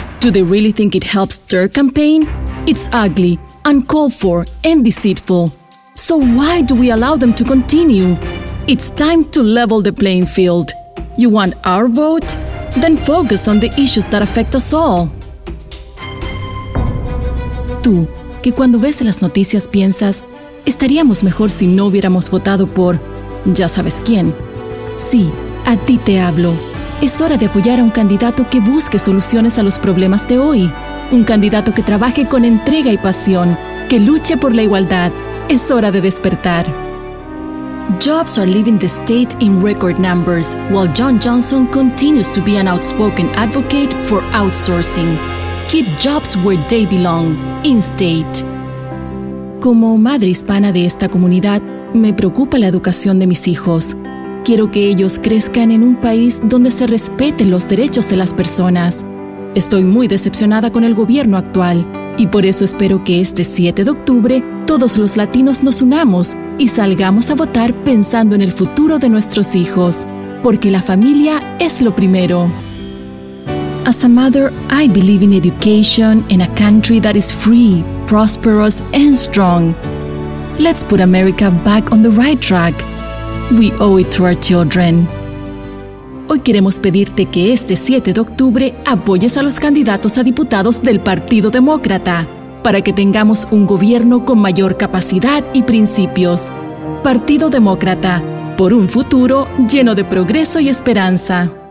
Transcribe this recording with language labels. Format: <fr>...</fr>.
<en>Do they really think it helps their campaign? It's ugly, uncalled for, and deceitful. So why do we allow them to continue? It's time to level the playing field. You want our vote? Then focus on the issues that affect us all.</en> <es>Tú, que cuando ves las noticias piensas, estaríamos mejor si no hubiéramos votado por, ya sabes quién. Sí, a ti te hablo. Es hora de apoyar a un candidato que busque soluciones a los problemas de hoy. Un candidato que trabaje con entrega y pasión, que luche por la igualdad. Es hora de despertar.</es> <en>Jobs are leaving the state in record numbers, while John Johnson continues to be an outspoken advocate for outsourcing. Keep jobs where they belong, in-state.</en> <es>Como madre hispana de esta comunidad, me preocupa la educación de mis hijos. Quiero que ellos crezcan en un país donde se respeten los derechos de las personas. Estoy muy decepcionada con el gobierno actual, y por eso espero que este 7 de octubre todos los latinos nos unamos y salgamos a votar pensando en el futuro de nuestros hijos, porque la familia es lo primero.</es> <en>As a mother, I believe in education in a country that is free, prosperous, and strong. Let's put America back on the right track. We owe it to our children.</en> <es>Hoy queremos pedirte que este 7 de octubre apoyes a los candidatos a diputados del Partido Demócrata para que tengamos un gobierno con mayor capacidad y principios. Partido Demócrata, por un futuro lleno de progreso y esperanza.</es>